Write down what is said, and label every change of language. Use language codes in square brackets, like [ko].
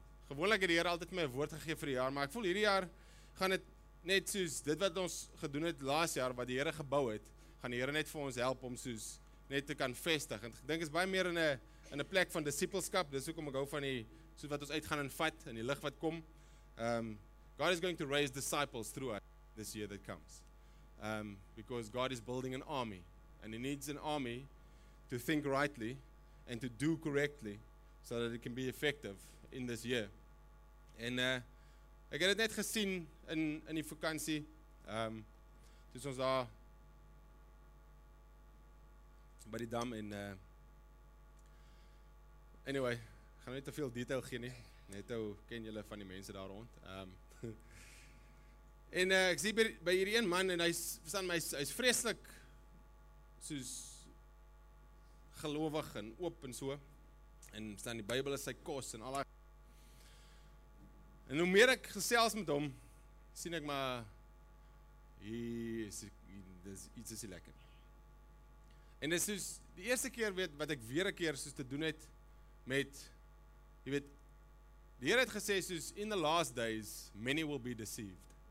[af] Gewoonlik het die Here altyd my 'n woord gegee vir die jaar, maar ek voel hierdie jaar gaan dit net soos dit wat ons gedoen het laas jaar wat die Here gebou het, gaan die Here net vir ons help om soos net te kan vestig. En ek dink is baie meer in 'n plek van discipleskap. Dis hoekom ek hou van die soos wat ons uitgaan en vat in die lig wat kom. [en] God is going to raise disciples through us this year that comes. Because God is building an army, and he needs an army to think rightly and to do correctly so that it can be effective in this year. And [af] Ek het dit net gesien in die vakantie. Toe ons daar by die dam en anyway, gaan nie te veel detail gee nie. Netto ken julle van die mense daar rond. En ek sien by hierdie een man en hy's vreeslik soos gelowig en oop en so. En staan die Bybel is sy kos en al die. En hoe meer ek gesels met hom, sien ek maar dit is lekker. En dit is soos die eerste keer weet wat ek weer 'n keer soos te doen het met jy weet die Here het gesê soos [en] in the last days many will be deceived.